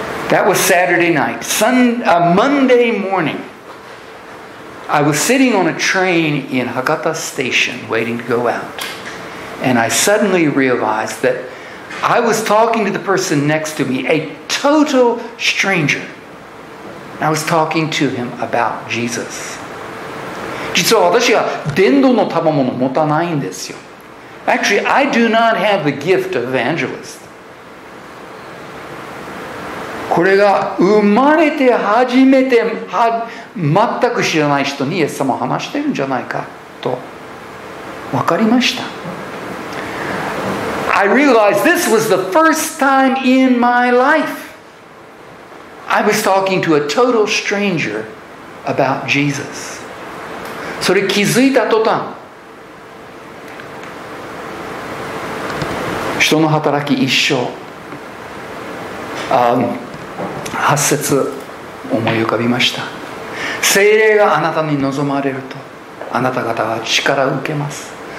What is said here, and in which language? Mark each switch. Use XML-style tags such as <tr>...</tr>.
<en>That was Saturday night. Monday morning, I was sitting on a train in Hakata station waiting to go out, and I suddenly realized thatI was talking to the person next to me, a total stranger. I was talking to him about Jesus.</en> <ja>実は私は伝道の賜物を持たないんですよ。</ja> <en>Actually, I do not have the gift of evangelist.</en> <ja>これが生まれて初めて全く知らない人にイエス様を話してるんじゃないかと分かりました。</ja> <en>I realized this was the first time in my life I was talking to a total stranger about Jesus.</en> <ja>それ気づいた途端、人の働き一章、八節思い浮かびました。聖霊があなたに望まれるとあなた方は力を受けます。</ja>